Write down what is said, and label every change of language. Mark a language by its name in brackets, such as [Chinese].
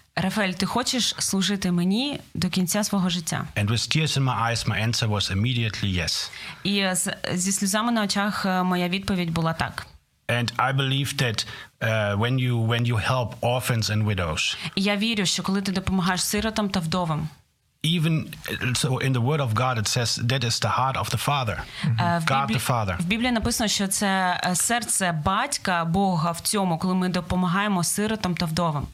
[Ukrainian] Рафаель, ти хочеш служити мені до кінця свого життя? [English] And with tears in my eyes, my answer was immediately yes. [Ukrainian] І зі сльозами на очах моя відповідь була так. [English] And I believe that when you help orphans and widows. [Ukrainian] Я вірю, що коли ти допомагаєш сиротам та вдовам. [English] Even so, in the word of God it says that is the heart of the Father. God the Father. [Ukrainian] В Біблії написано, що це серце батька Бога в цьому, коли ми допомагаємо сиротам та вдовам.